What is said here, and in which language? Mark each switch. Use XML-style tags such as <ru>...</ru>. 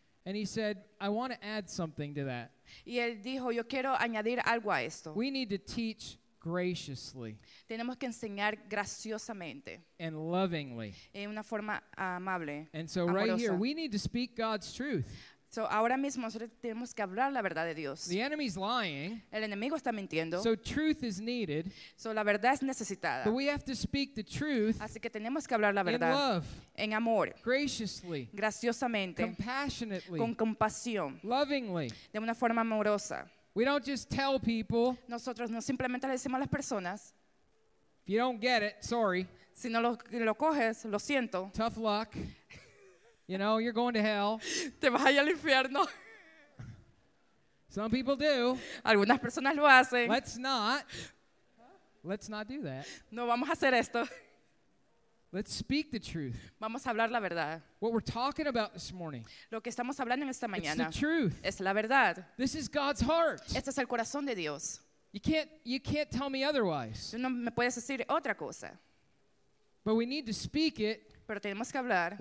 <en>And he said, I want to add something to that.</en> <es>Y él dijo, yo quiero añadir algo a esto.</es> <en>We need to teach graciously.</en> <es>Tenemos que enseñar graciosamente.</es> <en>And lovingly.</en> <es>En una forma amable.</es> <en>And so</en> <es>amorosa.</es> <en>Right here, we need to speak God's truth.</en> <es>So ahora mismo nosotros tenemos que hablar la verdad de Dios.</es> <en>The enemy's lying.</en> <es>El enemigo está mintiendo.</es> <en>So truth is needed.</en> <es>So la verdad es necesitada.</es> <en>But we have to speak the truth.</en> <es>Así que tenemos que hablar la verdad.</es> <en>In love.</en> <es>En amor.</es> <en>Graciously.</en> <es>Graciosamente.</es> <en>Compassionately.</en> <es>Con compasión.</es> <en>Lovingly.</en> <es>De una forma amorosa.</es> <en>We don't just tell people.</en> <es>Nosotros no simplemente le decimos a las personas.</es> <en>If you don't get it, sorry.</en> <es>Si no lo coges, lo siento.</es> <en>Tough luck. You know, you're going to hell.</en> <es>Te vas a ir al infierno.</es> <en>Some people do.</en> <es>Algunas personas lo hacen.</es> <en>Let's not do that.</en> <es>No vamos a hacer esto.</es> <en>Let's speak the truth.</en> <es>Vamos a hablar la verdad.</es> <en>What we're talking about this morning.</en> <es>Lo que estamos hablando en esta mañana.</es> <en>It's the truth.</en> <es>Es la verdad.</es> <en>This is God's heart.</en> <es>Este es el corazón de Dios.</es> <en>You can't tell me otherwise.</en> <es>No me puedes decir otra cosa.</es> <en>But we need to speak it.</en> <es>Pero tenemos que hablar</es>